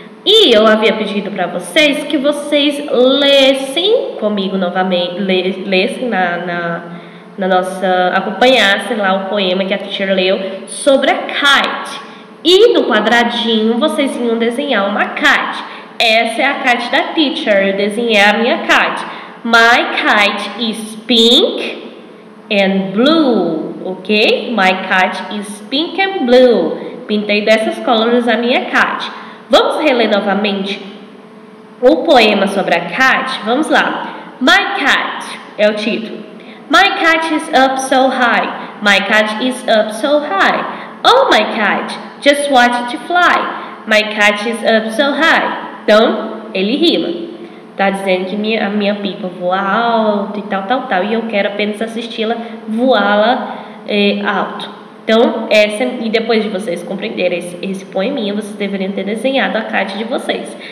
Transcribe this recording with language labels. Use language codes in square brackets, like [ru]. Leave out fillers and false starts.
[pt] E eu havia pedido para vocês que vocês lessem comigo novamente. Lessem na nossa. Acompanhassem lá o poema que a teacher leu sobre a kite. E no quadradinho vocês iam desenhar uma kite. Essa é a kite da teacher, eu desenhei a minha kite. [en] My kite is pink and blue, ok? My kite is pink and blue. [pt] Pintei dessas cores a minha kite. Vamos reler novamente o poema sobre a kite? Vamos lá. [en] My kite [pt] é o título. [en] My kite is up so high. My kite is up so high. Oh, my kite, just watch it fly. My kite is up so high. [pt] Então, ele rima. Tá dizendo que a minha pipa voa alto e tal, tal, tal. E eu quero apenas assisti-la voá-la alto. Então, essa. E depois de vocês compreenderem esse poeminha, vocês deveriam ter desenhado a kite de vocês.